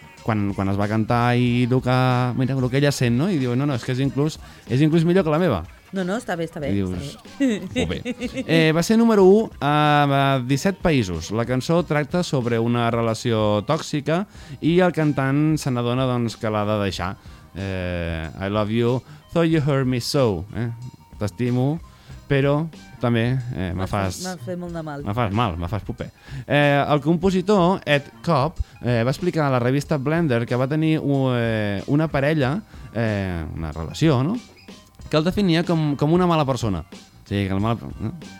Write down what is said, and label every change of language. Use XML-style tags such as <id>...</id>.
<ca>Quan es va cantar i el que ella sent, no? I diu, no, és que és inclús millor que la meva. No, no, està bé, està bé. Dius, està bé. Molt bé. Va ser número 1 a 17 països. La cançó tracta sobre una relació tòxica i el cantant se n'adona doncs, que l'ha de deixar.</ca> <en>I love you, though you hurt me so.</en> <ca>T'estimo, però també me fas... M'ha fet molt de mal. Me fas mal, me fas poper. El compositor Ed Cobb va explicar a la revista Blender que va tenir una parella, una relació, no?, que el definia com una mala persona. O sigui, que el mal... No?</ca>